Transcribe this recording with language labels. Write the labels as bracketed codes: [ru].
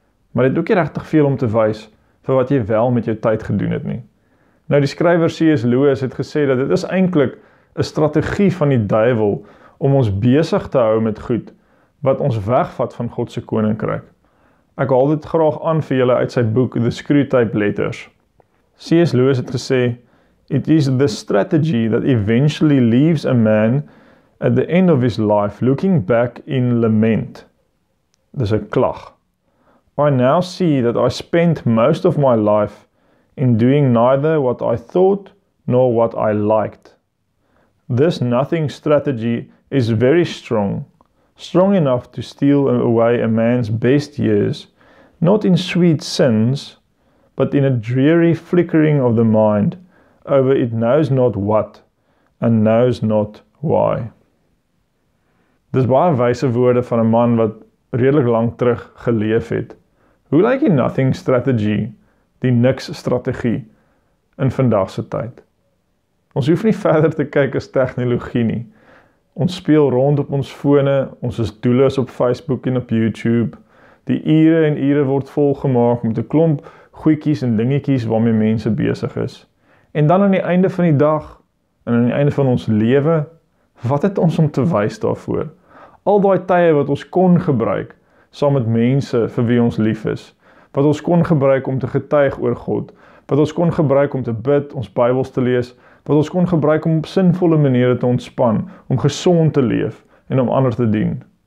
[af] Maar dit het ook nie regtig veel om te wys vir wat jy wel met jou tyd gedoen het nie. Nou die skrywer C.S. Lewis het gesê dat dit is eintlik 'n strategie van die duiwel om ons besig te hou met goed wat ons wegvat van God se koninkryk. Ek haal dit graag aan vir julle uit sy boek The Screwtape Letters. C.S. Lewis het gesê, [en] "It is the strategy that eventually leaves a man at the end of his life, looking back in lament." [af] Dis 'n klag. [en] "I now see that I spent most of my life in doing neither what I thought nor what I liked. This nothing strategy is very strong, strong enough to steal away a man's best years, not in sweet sins, but in a dreary flickering of the mind over it knows not what and knows not why." [af] Dis baie wyse woorde van 'n man wat redelik lank terug geleef het. Hoe lyk die nothing strategy, die niks strategie, in vandagse tyd? Ons hoef nie verder te kyk as tegnologie nie. Ons speel rond op ons fone, ons is doelloos op Facebook en op YouTube. Die ure en ure word volgemaak met 'n klomp goedjies en dingetjies waarmee mense besig is. En dan aan die einde van die dag, en aan die einde van ons lewe, wat het ons om te wys daarvoor? Al daai tye wat ons kon gebruik, saam met mense vir wie ons lief is, wat ons kon gebruik om te getuig oor God, wat ons kon gebruik om te bid, ons Bybels te lees, wat ons kon gebruik om op sinvolle maniere te ontspan, om gesond te leef en om ander te dien.